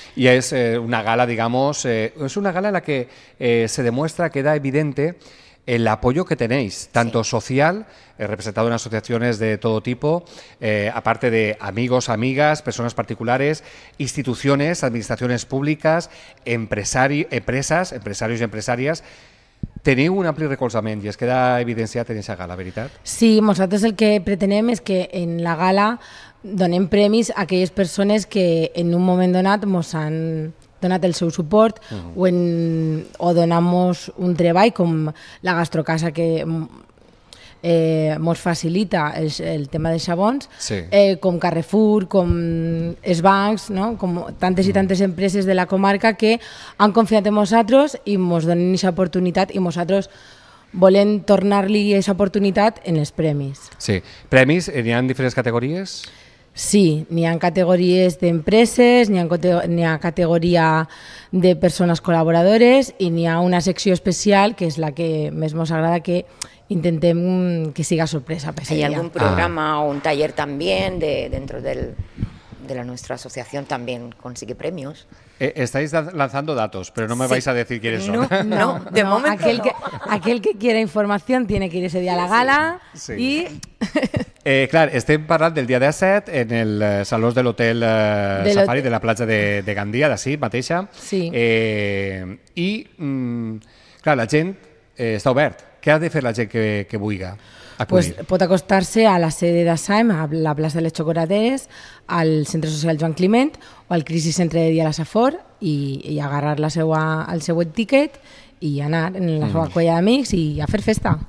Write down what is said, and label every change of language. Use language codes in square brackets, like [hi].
[es] Y es una gala, digamos, es una gala en la que se demuestra, queda evidente el apoyo que tenéis, tanto sí, social, representado en asociaciones de todo tipo, aparte de amigos, amigas, personas particulares, instituciones, administraciones públicas, empresarios y empresarias. [ca] Teniu un ampli recolzament i es queda evidenciat en aquesta gala, veritat? Sí, nosaltres el que pretenem és que en la gala donem premis a aquelles persones que en un moment donat ens han donat el seu suport o donem-nos un treball com la gastrocasa que ens facilita el tema dels xabons, sí, com Carrefour, com els bancs, no? Com tantes i tantes empreses de la comarca que han confiat en nosaltres i ens donen aquesta oportunitat i nosaltres volem tornar-li aquesta oportunitat en els premis. Sí. Premis, n'hi ha diferents categories? Sí, n'hi ha categories d'empreses, n'hi ha categoria de persones col·laboradores i n'hi ha una secció especial que és la que més ens agrada, que intentem que siga sorpresa. [es] Hay algún programa o un taller también dentro de la nuestra asociación también consigue premios. Estáis lanzando datos, pero no me vais a decir quiénes son. No, de momento aquel que quiera información tiene que ir ese día a la gala. Sí. Y [ca] claro, estem parlant del dia 17 en el saló de l'hotel Safari de la platja de Gandia, d'ací mateixa. Sí. I clar, la gent està obert Què ha de fer la gent que vulga acudir? Pues pot acostar-se a la sede de SAEM, a la plaça de les Xocoraderes, al Centre Social Joan Climent o al Crisi Centre de Dia a la Safor i agarrar la seua, el seu etiquet i anar en la seva colla d'amics i a fer festa.